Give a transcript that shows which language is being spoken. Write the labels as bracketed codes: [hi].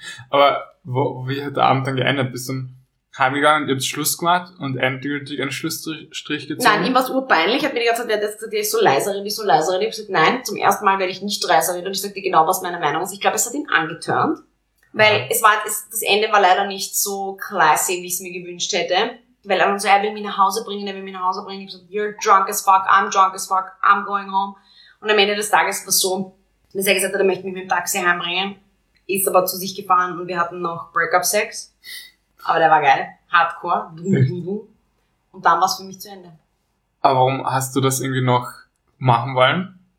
[de] Aber wie hat der Abend dann geändert? Bist du dann heimgegangen, ihr habt Schluss gemacht und endgültig einen Schlussstrich gezogen? Nein, ihm war es urpeinlich. Ich habe mir die ganze Zeit gesagt, ich soll leiser reden, Ich habe gesagt, nein, zum ersten Mal werde ich nicht leiser reden. Und ich sagte genau, was meine Meinung ist. Ich glaube, es hat ihn angeturnt. Weil das Ende war leider nicht so classy, wie ich es mir gewünscht hätte. Weil er dann so, er will mich nach Hause bringen. Ich habe gesagt, [en] you're drunk as fuck, I'm drunk as fuck, I'm going home. [de] Und am Ende des Tages war es so, dass er gesagt hat, er möchte mich mit dem Taxi heimbringen. Ist aber zu sich gefahren und wir hatten noch Breakup-Sex. Aber der war geil. Hardcore. Und dann war es für mich zu Ende. Aber warum hast du das irgendwie noch machen wollen?